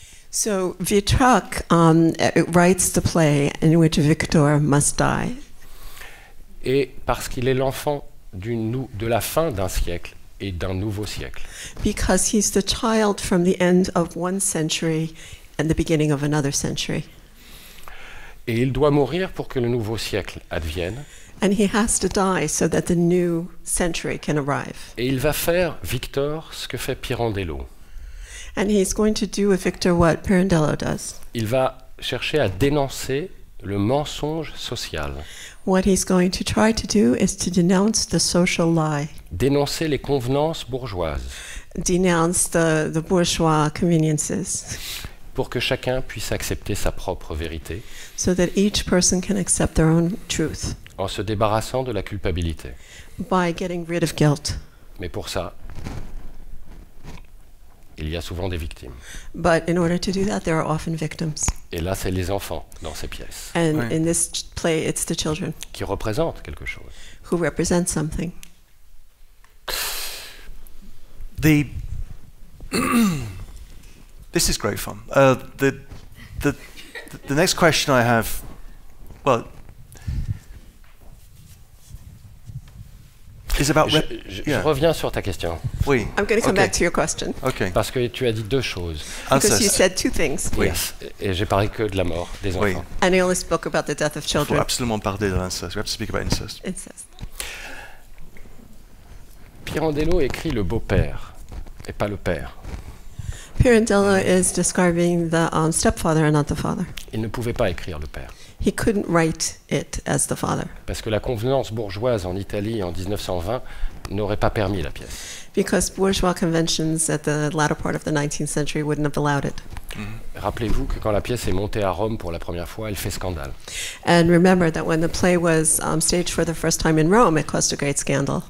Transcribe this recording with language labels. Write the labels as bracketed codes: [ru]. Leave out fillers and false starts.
[en] So Vitruc writes the play in which Victor must die. [fr] Et parce qu'il est l'enfant de la fin d'un siècle et d'un nouveau siècle. [en] Because he's the child from the end of one century and the beginning of another century. [fr] Et il doit mourir pour que le nouveau siècle advienne. [en] And he has to die so that the new century can arrive. [fr] Et il va faire Victor ce que fait Pirandello. [en] And he's going to do with Victor what Pirandello does. [fr] Il va chercher à dénoncer le mensonge social. [en] What he's going to try to do is to denounce the social lie. [fr] Dénoncer les convenances bourgeoises. [en] Denounce the bourgeois conveniences. [fr] Pour que chacun puisse accepter sa propre vérité. [en] So that each person can accept their own truth. [fr] En se débarrassant de la culpabilité. [en] By getting rid of guilt. [fr] Mais pour ça, il y a souvent des victimes. [en] But in order to do that, there are often victims. [fr] Et là, c'est les enfants dans ces pièces. [en] And in this play, it's the children. [fr] Qui représentent quelque chose. [en] Who represent something. This is great fun. The next question I have, well, is about [fr] Je reviens sur ta question. Oui. [en] I'm going to come back to your question. Okay. [fr] Parce que tu as dit deux choses. [en] Because you said two things. [fr] Oui. [en] Yes. [fr] Et j'ai parlé que de la mort des enfants. Oui. [en] And you only spoke about the death of children. [fr] Il faut absolument parler de l'inceste. [en] We have to speak about incest. Incest. [fr] Pirandello écrit le beau-père et pas le père. [en] Pirandello is describing the stepfather and not the father. [fr] Il ne pouvait pas écrire le père. [en] He couldn't write it as the father. [fr] Parce que la convenance bourgeoise en Italie en 1920 n'aurait pas permis la pièce. [en] Because bourgeois conventions at the latter part of the 19th century wouldn't have allowed it. [fr] Rappelez-vous que quand la pièce est montée à Rome pour la première fois, elle fait scandale. [en] And remember that when the play was staged for the first time in Rome, it caused a great scandal.